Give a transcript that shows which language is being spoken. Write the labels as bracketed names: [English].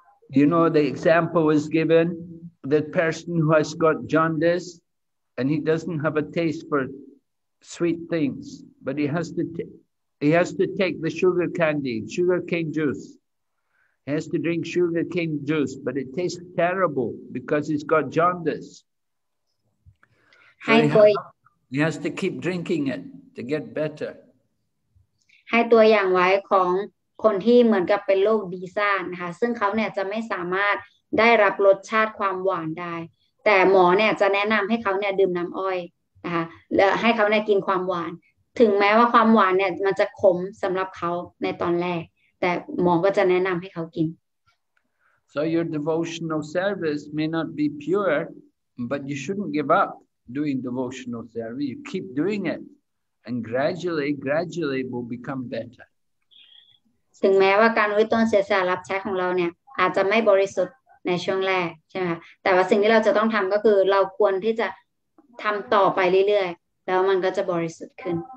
[English] You know, the example was given, the person who has got jaundice and he doesn't have a taste for sweet things, but he has to take the sugar candy, sugar cane juice. He has to drink sugar cane juice, but it tastes terrible because he's got jaundice. He has to keep drinking it to get better. [Thai] ให้ตัวอย่างไว้ของคนที่เหมือนกับเป็นโรคดีซ่านค่ะซึ่งเขาเนี่ยจะไม่สามารถได้รับรสชาติความหวานได้แต่หมอเนี่ยจะแนะนำให้เขาเนี่ยดื่มน้ำอ้อยนะคะและให้เขาเนี่ยกินความหวานถึงแม้ว่าความหวานเนี่ยมันจะขมสำหรับเขาในตอนแรกแต่หมอก็จะแนะนำให้เขากิน [English] So your devotional service may not be pure but you shouldn't give up doing devotional service you keep doing itAnd gradually will become better. [Thai] ถึงแม้ว่าการอุทิศตนเสียสละรับใช้ของเราเนี่ยอาจจะไม่บริสุทธิ์ในช่วงแรกใช่ไหมคะแต่ว่าสิ่งที่เราจะต้องทำก็คือเราควรที่จะทำต่อไปเรื่อยๆแล้วมันก็จะบริสุทธิ์ขึ้น